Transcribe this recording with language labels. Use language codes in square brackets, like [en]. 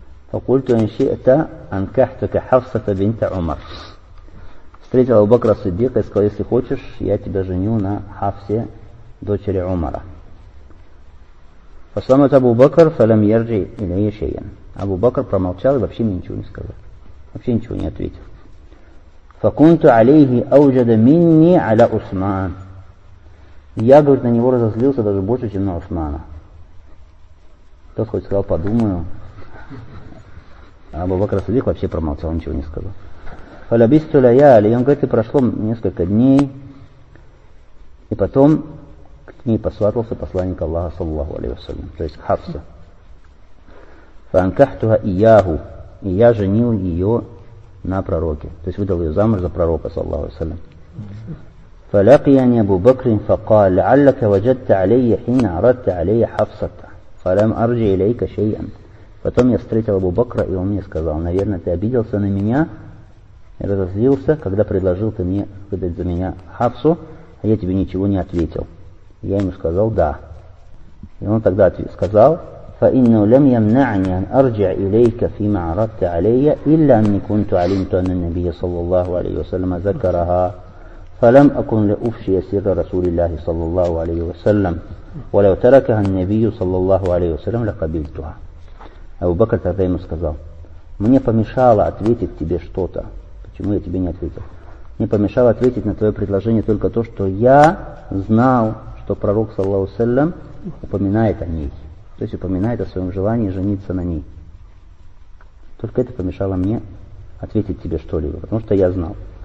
[ar] «Факульту иншиэта анкахтука Хафсата бинта Умар». [ru] Встретил Абу Бакра ас-Сиддика и сказал, если хочешь, я тебя женю на Хафсе, дочери Умара. [ar] Фасамат Абу Бакр фалам ярджи илейя шейен. [ru] Абу Бакр промолчал и вообще мне ничего не сказал. Вообще ничего не ответил. [ar] فكنت عليه أوجد مني على عثمان. [ru] Я, говорит, на него разозлился даже больше, чем на Османа. Тот хоть сказал, подумаю. А Абу-Бакр ас-Сиддик вообще промолчал, ничего не сказал. [ar] Фалабисту ляяли. [ru] И он говорит, и прошло несколько дней. И потом к ней посватался посланник Аллаха, саллаллаху алейхи вассалям. То есть Хафса. [ar] Фанкахтуха ияху. [ru] И я женил ее на пророке. То есть выдал ее замуж за пророка, саллаллаху алейхи вассалям. [ar] فلقيني أبو بكر فقال لعلك وجدت علي حين عرضت علي حفصة فلم أرجع إليك شيئا. [ru] Потом я встретил Абу Бакра, и он мне сказал: наверное, ты обиделся на меня, разозлился, когда предложил ты мне выдать за меня Хафсу, а я тебе ничего не ответил. Я ему сказал: да. И он тогда сказал: [ar] فإنه لم يمنعني أن أرجع إليك فيما عرضت علي إلا أني كنت علمت أن النبي صلى الله عليه وسلم ذكرها. فلم أكن لأفشي سر رسول الله صلى الله عليه وسلم ولو تركها النبي صلى الله عليه وسلم لقبلتها. [ru] Абу Бакр тогда ему сказал: мне помешало ответить тебе что-то. Почему я тебе не ответил? Мне помешало ответить на твое предложение только то, что я знал, что пророк [ar] صلى الله عليه وسلم [ru] упоминает о ней. То есть упоминает о своем желании жениться на ней. Только это помешало мне ответить тебе что-либо, потому что я знал.